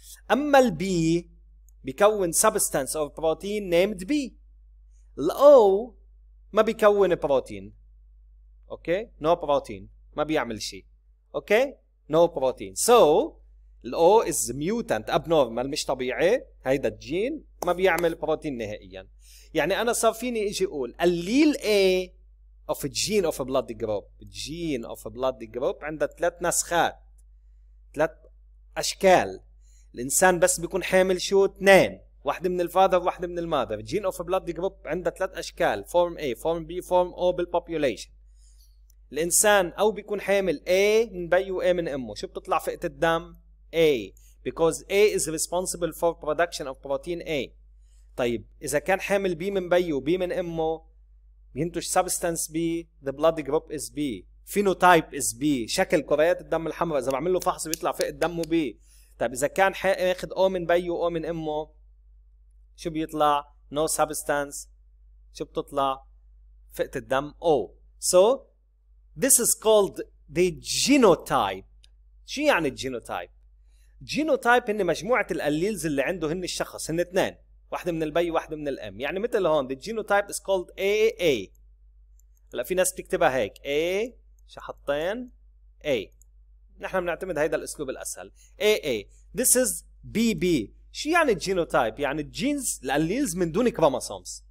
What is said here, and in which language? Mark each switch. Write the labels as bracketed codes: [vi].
[ar] أما البي بيكون [en] substance of protein named B. [ar] الأو ما بيكون بروتين. [en] Okay? No protein. [ar] ما بيعمل شيء. [en] Okay? No protein. So, الأو is mutant, abnormal, [ar] مش طبيعي. هيدا الجين ما بيعمل بروتين نهائياً. يعني أنا صار فيني إجي أقول الليل [en] A of a gene of a blood group. Gene of a blood group [ar] عندها 3 نسخات 3 أشكال. الإنسان بس بيكون حامل شو؟ 2، واحدة من الفادر وواحدة من المادر. [en] Gene of a blood group [ar] عندها 3 أشكال [en] Form A, Form B, Form O بالpopulation. [ar] الإنسان أو بيكون حامل A من بي و A من أمه. شو بتطلع فئة الدم؟ [en] A, because A is responsible for production of protein A. [ar] طيب إذا كان حامل B من بي و B من أمه ينتج [en] substance B, the blood group is B. Phenotype is B, [ar] شكل كريات الدم الحمراء. إذا بعمل له فحص بيطلع فئة دمه B. طيب إذا كان ياخد O من بي و O من أمه شو بيطلع؟ [en] No substance. [ar] شو بتطلع؟ فئة الدم O. [en] So this is called the genotype. [ar] شو يعني genotype؟ genotype هن مجموعة الأليلز اللي عنده هن الشخص، هن 2، واحدة من البي واحدة من الام. يعني مثل هون [en] the genotype is called AA. [ar] هلا في ناس بتكتبها هيك A شحطين A. نحن بنعتمد هيدا الاسلوب الاسهل AA. [en] This is BB. [ar] شو يعني genotype؟ يعني genes الاليلز من دون كروموسومز.